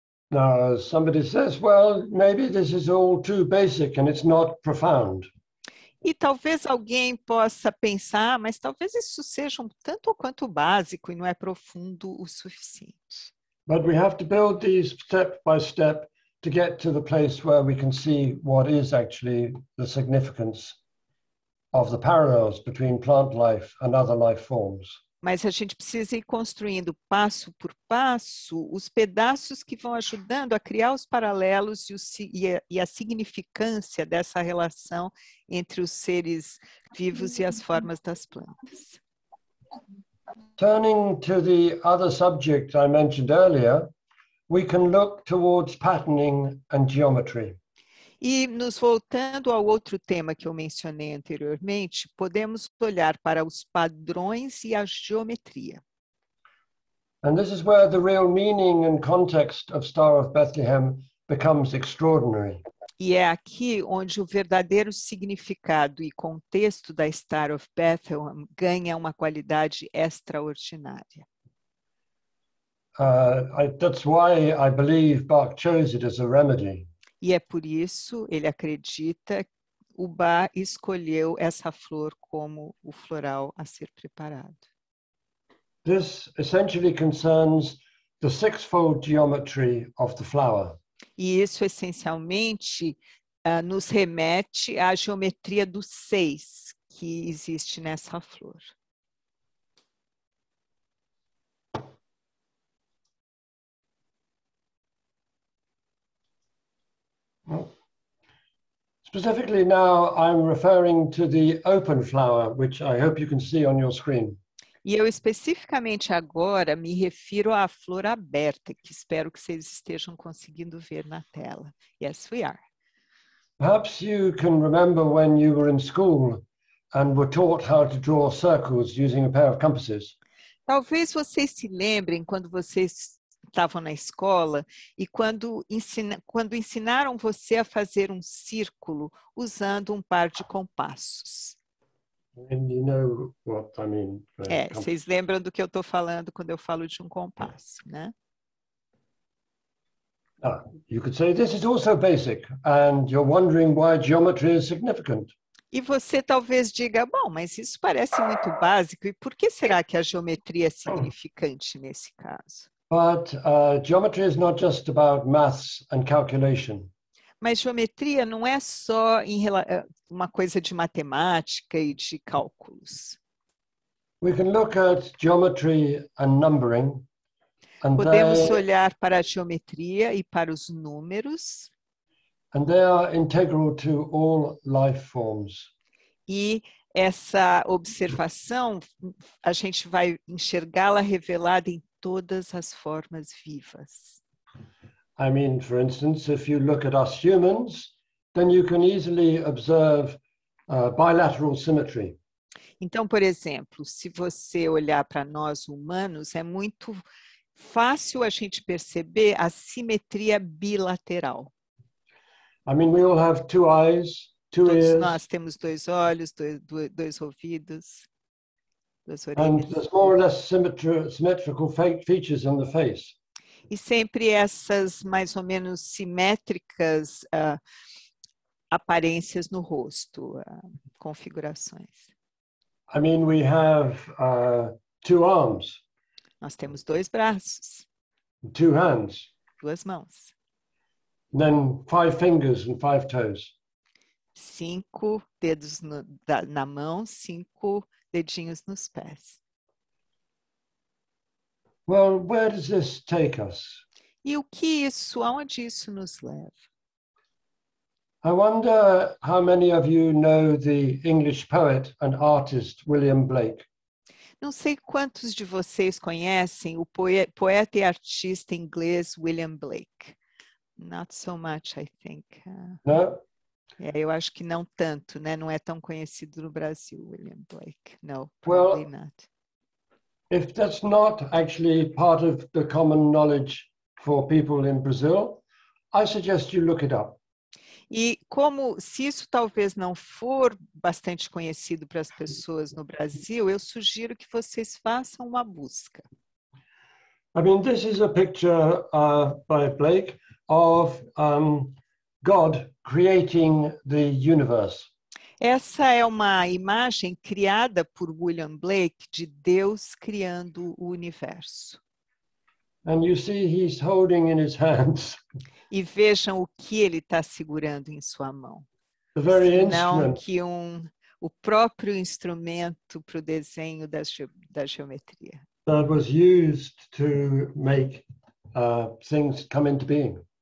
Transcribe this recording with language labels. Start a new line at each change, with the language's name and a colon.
English: Now, somebody says, well, maybe this is all too basic and it's not profound.
Portuguese: E talvez alguém possa pensar, mas talvez isso seja um tanto ou quanto básico e não é profundo o suficiente.
English: But we have to build these step by step to get to the place where we can see what is actually the significance of the parallels between plant life and other life forms.
Portuguese: Mas a gente precisa ir construindo passo por passo os pedaços que vão ajudando a criar os paralelos e a significância dessa relação entre os seres vivos e as formas das plantas.
English: Turning to the other subject I mentioned earlier, we can look towards patterning and geometry.
Portuguese: E nos voltando ao outro tema que eu mencionei anteriormente, podemos olhar para os padrões e a geometria.
English: And this is where the real meaning and context of Star of Bethlehem becomes extraordinary.
Portuguese: E é aqui onde o verdadeiro significado e contexto da Star of Bethlehem ganha uma qualidade extraordinária.
English: That's why I believe Bach chose it as a remedy.
Portuguese: E é por isso, ele acredita, o Bach escolheu essa flor como o floral a ser preparado.
English: This essentially concerns the sixfold geometry of the flower.
Portuguese: E isso essencialmente nos remete à geometria dos seis que existe nessa flor.
English: Specifically now, I'm referring to the open flower, which I hope you can see on your screen.
Portuguese: E eu especificamente agora me refiro à flor aberta, que espero que vocês estejam conseguindo ver na tela.
English: Yes, we are. Perhaps you can remember when you were in school and were taught how to draw circles using a pair of compasses.
Portuguese: Talvez vocês se lembrem quando vocês estavam na escola e quando ensinaram você a fazer um círculo usando um par de compassos.
English: And you know what I mean.
Portuguese: É, vocês lembram do que eu estou falando quando eu falo de um compasso, né?
English: You could say this is also basic and you're wondering why geometry is significant.
Portuguese: E você talvez diga, bom, mas isso parece muito básico e por que será que a geometria é significante nesse caso?
English: But geometry is not just about maths and calculation.
Portuguese: Mas geometria não é só uma coisa de matemática e de cálculos.
English: We can look at geometry and numbering. And
Portuguese: podemos olhar para a geometria e para os números.
English: And they are integral to all life forms.
Portuguese: E essa observação, a gente vai enxergá-la revelada em todas as formas vivas.
English: I mean, for instance, if you look at us humans, then you can easily observe bilateral symmetry.
Portuguese: Então, por exemplo, se você olhar para nós humanos, é muito fácil a gente perceber a simetria bilateral.
English: I mean, we all have two eyes, two
Portuguese: Todos
English: ears.
Portuguese: Nós temos dois olhos, dois ouvidos.
English: And there's more or less symmetrical features in the face.
Portuguese: E sempre essas mais ou menos simétricas aparências no rosto, configurações.
English: I mean, we have two arms.
Portuguese: Nós temos dois braços.
English: Two hands.
Portuguese: Duas mãos.
English: And then five fingers and five toes.
Portuguese: Cinco dedos na mão, cinco dedinhos nos pés.
English: Well, where does this take us?
Portuguese: E o que isso, aonde isso nos leva?
English: I wonder how many of you know the English poet and artist William Blake.
Portuguese: Não sei quantos de vocês conhecem o poeta e artista inglês William Blake.
English: Not so much, I think. No?
Portuguese: É, eu acho que não tanto, né? Não é tão conhecido no Brasil, William Blake.
English: No, well, probably not. If that's not actually part of the common knowledge for people in Brazil, I suggest you look it up.
Portuguese: E como, se isso talvez não for bastante conhecido para as pessoas no Brasil, eu sugiro que vocês façam uma busca.
English: I mean, this is a picture by Blake of God creating the universe.
Portuguese: Essa é uma imagem criada por William Blake de Deus criando o universo.
English: And you see he's holding in his hands.
Portuguese: E vejam o que ele está segurando em sua mão.
English: The very
Portuguese: Senão
English: instrument.
Portuguese: Que um, o próprio instrumento para o desenho da geometria.
English: That was used to make things come into being.